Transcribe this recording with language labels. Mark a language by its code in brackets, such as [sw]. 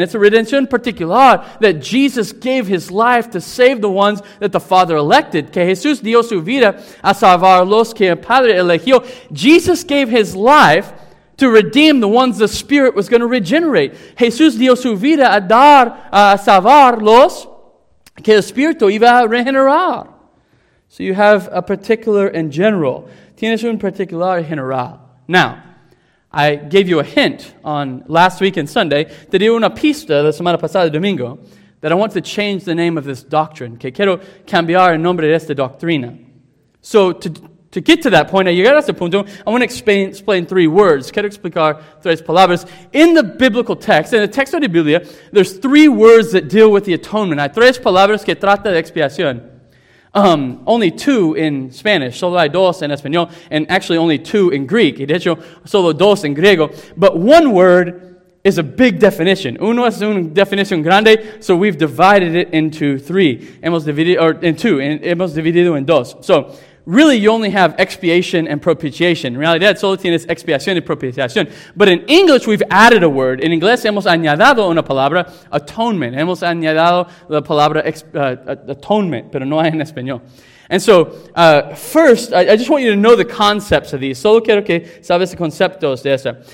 [en] It's a redemption particular that Jesus gave his life to save the ones that the Father elected. [es] Que Jesús dio su vida a salvar los que el Padre eligió. [en] Jesus gave his life to redeem the ones the Spirit was going to regenerate. [es] Jesús dio su vida a dar, a salvar los que el Espíritu iba a regenerar. [en] So you have a particular and general. [es] Tienes un particular general. [en] Now, I gave you a hint on last week and Sunday. [es] Te di una pista la semana pasada, domingo, [en] that I want to change the name of this doctrine. [es] Que quiero cambiar el nombre de esta doctrina. [en] So to get to that point, [es] a llegar a ese punto, [en] I want to explain three words. [es] Quiero explicar tres palabras. [en] In the biblical text, in the [es] texto de Biblia, [en] there's three words that deal with the atonement. [es] Hay tres palabras que trata de expiación. [en] Only two in Spanish. [es] Solo hay dos en español. [en] And actually only two in Greek. [es] Y de hecho, solo dos en griego. [en] But one word is a big definition. [es] Uno es una definición grande, [en] so we've divided it into three. [es] Hemos dividido, [en] or in two. [es] Hemos dividido en dos. [en] So, really you only have expiation and propitiation. [es] En realidad, solo tienes expiación y propiciación. [en] But in English, we've added a word. [es] En inglés, hemos añadido una palabra, [en] atonement. [es] Hemos añadido la palabra atonement, pero no hay en español. [en] And so, first, I just want you to know the concepts of these. [es] Solo quiero que sabes los conceptos de esta.